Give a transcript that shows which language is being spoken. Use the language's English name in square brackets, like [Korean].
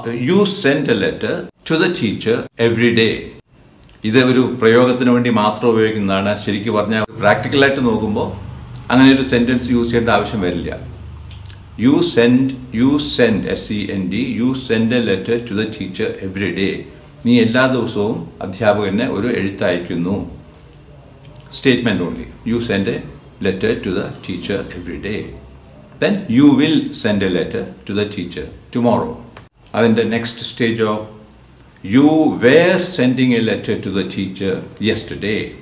[English] You sent a letter to the teacher every day. [Malayalam] ഇത് ഒരു പ്രയോഗത്തിന് വേണ്ടി മാത്രം ഉപയോഗിക്കുന്നതാണ്. ശരിക്കും പറഞ്ഞാൽ പ്രാക്ടിക്കലായിട്ട് നോക്കുമ്പോൾ അങ്ങനെ ഒരു സെൻറ്റൻസ് യൂസ് ചെയ്യേണ്ട ആവശ്യം വരില്ല. [English] You send SEND, you send a letter to the teacher every day. [Malayalam] നീ എല്ലാ ദിവസവും അധ്യാപകനെ ഒരു എഴുത്ത് അയക്കുന്നു. [English] Statement only. You send a letter to the teacher every day. Then you will send a letter to the teacher tomorrow. [Malayalam] അതിൻ്റെ next സ്റ്റേജോ? [English] You were sending a letter to the teacher yesterday.